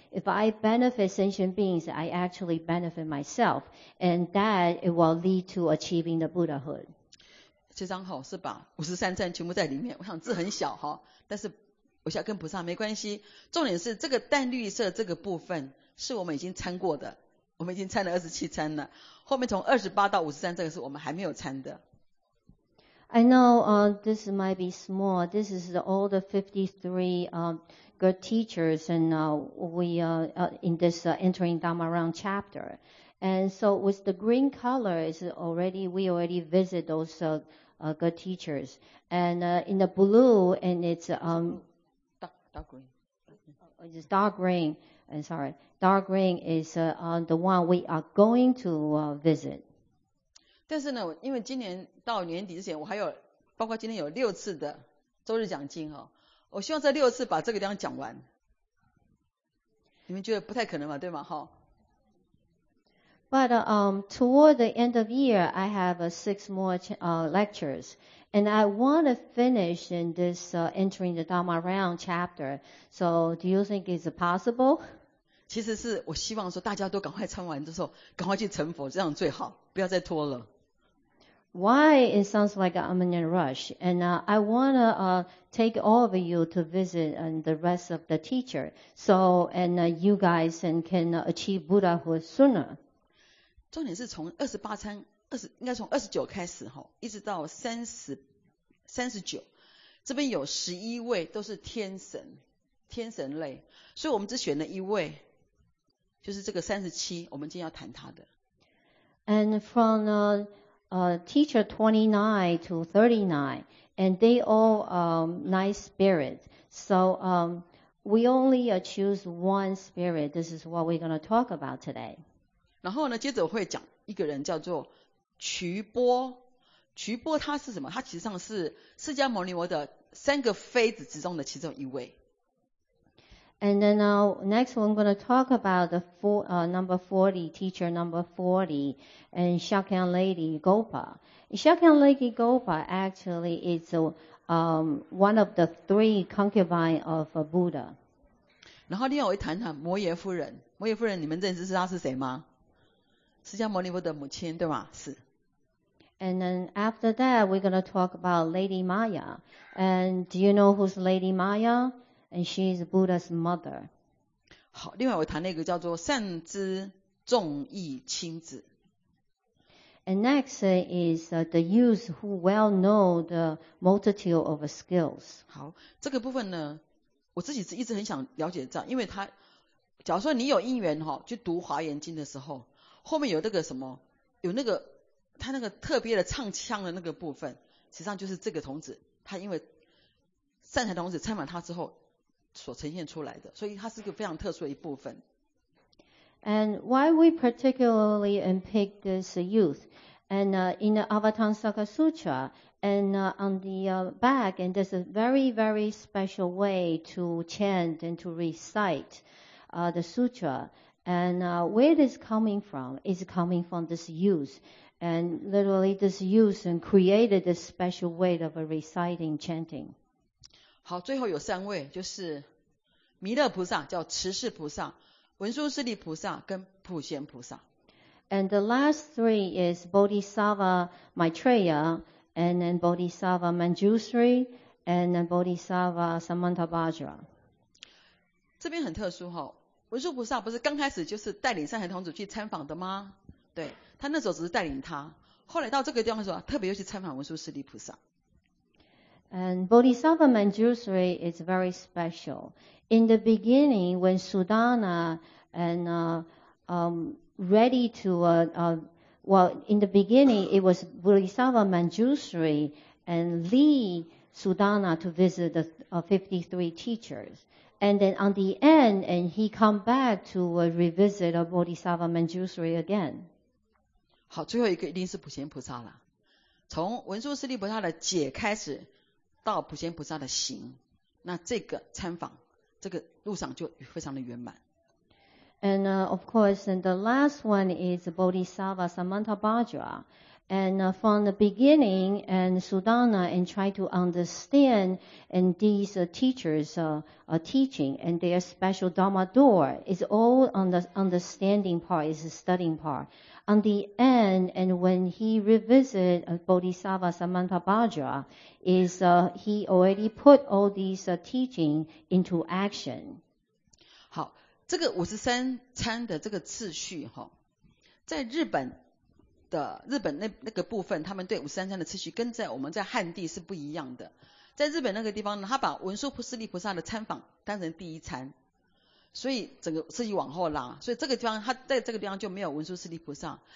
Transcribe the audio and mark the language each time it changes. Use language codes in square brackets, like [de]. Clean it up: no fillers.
[en] If I benefit sentient beings, I actually benefit myself, and that it will lead to achieving the Buddhahood. [zh] 这张好是把53站全部在里面，我想字很小哈，但是我想跟菩萨没关系，重点是这个淡绿色这个部分是我们已经参过的，我们已经参了27参了，后面从28到53这个是我们还没有参的。 [en] I know this might be small. This is all the 53 good teachers, and we entering Dharma Round chapter. And so with the green color, we already visit those good teachers. And in the blue, and it's dark green. It's dark green. I'm sorry. Dark green is the one we are going to visit. [zh] 但是呢，因为今年到年底之前，我还有包括今天有六次的周日讲经哦，我希望这六次把这个地方讲完。你们觉得不太可能嘛？对吗？哈。 [en] But toward the end of year, I have six more lectures, and I want to finish in this entering the Dharma Round chapter. So, do you think it's possible? [zh] 其实是我希望说大家都赶快参完之后，赶快去成佛，这样最好，不要再拖了。 [en] Why it sounds like I'm in a rush, and I want to take all of you to visit and the rest of the teacher, so and you guys can achieve Buddhahood sooner. [zh] 重点是从28参应该从29开始齁，一直到39，这边有11位都是天神类，所以我们只选了一位，就是这个37，我们今天要谈他的。 [en] And from teacher 29 to 39, and they all nice spirits. So we only choose one spirit. This is what we're going to talk about today. [zh] 然后呢，接着我会讲一个人叫做瞿波。瞿波他是什么？他其实上是释迦牟尼佛的三个妃子之中的其中一位。 [en] And then now, next I'm going to talk about the number 40, teacher number 40, and Shakyan Lady Gopa. Shakyan Lady Gopa actually is one of the three concubines of Buddha. [zh] 然后另外我会谈谈摩耶夫人。摩耶夫人，你们认识她是谁吗？释迦牟尼佛的母亲，对吗？是。 [en] And then after that, we're going to talk about Lady Maya. And do you know who's Lady Maya? And she is Buddha's mother. [zh] 好，另外我谈那个叫做善知众议亲子。 [en] And next is the youth who well know the multitude of skills. [zh] 好，这个部分呢，我自己一直很想了解这样，因为他，假如说你有因缘哈，去读华严经的时候，后面有那个什么，有那个他那个特别的唱腔的那个部分，实际上就是这个童子，他因为善财童子参访他之后。所呈现出来的，所以它是一个非常特殊的一部分。 [en] And why we particularly pick this youth? And in the Avatamsaka Sutra, and on the back, and there's a very, very special way to chant and to recite the sutra. And where this coming from? It's coming from this youth. And literally, this youth and created this special way of reciting, chanting. [zh] 好，最后有三位，就是弥勒菩萨，叫慈氏菩萨、文殊师利菩萨跟普贤菩萨。 [en] And the last three is Bodhisattva Maitreya, and then Bodhisattva Manjushri, and then Bodhisattva Samantabhadra. [zh] 这边很特殊哈、哦，文殊菩萨不是刚开始就是带领善财童子去参访的吗？对，他那时候只是带领他，后来到这个地方的时候，特别又去参访文殊师利菩萨。 [en] And Bodhisattva Manjushri is very special. In the beginning, when Sudana and ready to in the beginning it was Bodhisattva Manjushri and lead Sudana to visit the 53 teachers. And then on the end, and he come back to revisit a Bodhisattva Manjushri again. [zh] 好，最后一个一定是普贤菩萨了。从文殊师利菩萨的解开始。到普贤菩萨的行，那这个参访，这个路上就非常的圆满。 [en] And of course, and the last one is Bodhisattva Samantabhadra. And from the beginning, and Sudana and try to understand and these teachers' teaching and their special Dharma door is all on the understanding part, is the studying part. On the end, and when he revisit Bodhisattva Samantabhadra, is he already put all these teaching into action. [zh] 好，这个五十三参的这个次序哈，在日本。的日本 那个部分，他们对五十三参的次序跟在我们在汉地是不一样的。在日本那个地方呢，他把文殊师利菩萨的参访当成第一参，所以整个次序往后拉，所以这个地方他在这个地方就没有文殊师利菩萨。